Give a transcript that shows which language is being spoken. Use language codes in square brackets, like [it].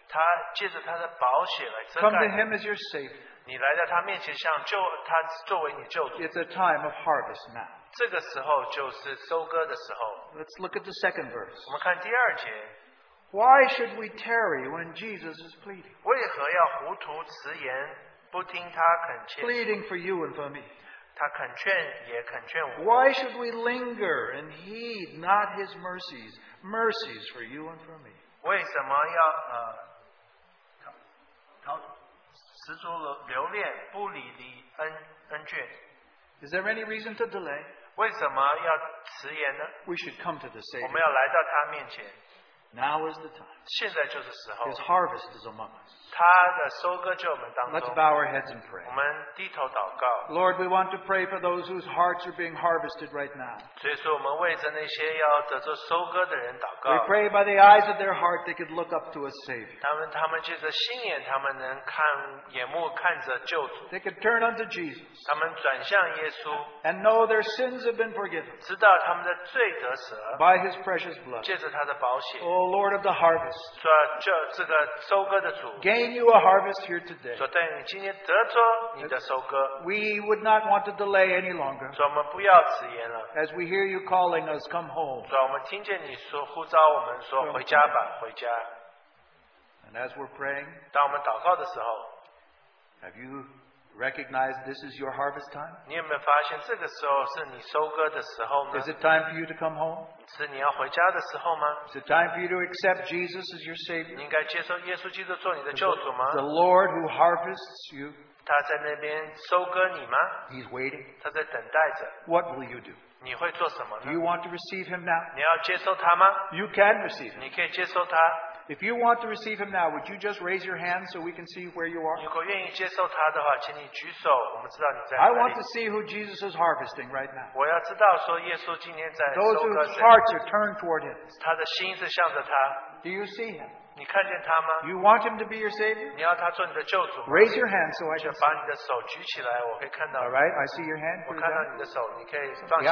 [zh] 他借着他的宝血来遮盖。 [en] Come to him as your savior. [zh] 你来到他面前向救他作为你救主。 [en] It's a time of harvest now. [zh] 这个时候就是收割的时候。 [en] Let's look at the second verse. [zh] 我们看第二节。 [en] Why should we tarry when Jesus is pleading? [zh] 为何要糊涂迟延不听他恳切 [en] pleading for you and for me. [zh] 他恳劝也恳劝我 [en] Why should we linger and heed not his mercies? Mercies for you and for me. [zh] 为什么要执着留恋不离的恩眷 [en] Is there any reason to delay? [zh] 为什么要迟延呢 [en] We should come to the Savior. [zh] 我们要来到他面前 [en] Now is the time. [zh] 现在就是时候。 [en] His harvest is among us. [zh] 他的收割就我们当中。 [en] Let's bow our heads and pray. [zh] 我们低头祷告。 [en] Lord, we want to pray for those whose hearts are being harvested right now. [zh] 所以说我们为着那些要得着收割的人祷告。 [en] We pray by the eyes of their heart they could look up to a Savior. [zh] 他们借着心眼他们能看眼目看着救主。 [en] They could turn unto Jesus. [zh] 他们转向耶稣。 [en] And know their sins have been forgiven. [zh] 知道他们的罪得赦。 [en] By his precious blood. [zh] 借着他的宝血。 [en] O Lord of the harvest, [zh] 这个收割的主 [en] gain you a harvest here today. [zh] 说带你今天得着你的收割 [en] We would not want to delay any longer. [zh] 说我们不要迟延了 [en] As we hear you calling us, come home. [zh] 说我们听见你说呼召我们说回家吧回家 [en] And as we're praying, [zh] 当我们祷告的时候 [en] Have you recognized this is your harvest time? [zh] 你有没有发现这个时候是你收割的时候呢 [en] Is it time for you to come home? [zh] 是你要回家的时候吗 [en] Is it time for you to accept Jesus as your Savior? [zh] 你应该接受耶稣基督做你的救主吗 [en] The Lord who harvests you [zh] 他在那边收割你吗 [en] He's waiting [zh] 他在等待着 [en] What will you do? [zh] 你会做什么呢 [en] Do you want to receive him now? [zh] 你要接受他吗 [en] You can receive him [zh] 你可以接受他 [en] If you want to receive him now would you just raise your hand so we can see where you are? [zh] 如果愿意接受他的话请你举手我们知道你在哪里 [en] I want to see who Jesus is harvesting right now [zh] 我要知道说耶稣今天在收割谁 [en] Those whose hearts are turned toward him [zh] 他的心是向着他 [en] Do you see him? [zh] 你看见他吗 [en] You want him to be your savior? [zh] 你要他做你的救主 [en] Raise your hand so I can see [zh] 把你的手举起来我可以看到 [en] All right, I see your hand [zh] 我看到你的手你可以放下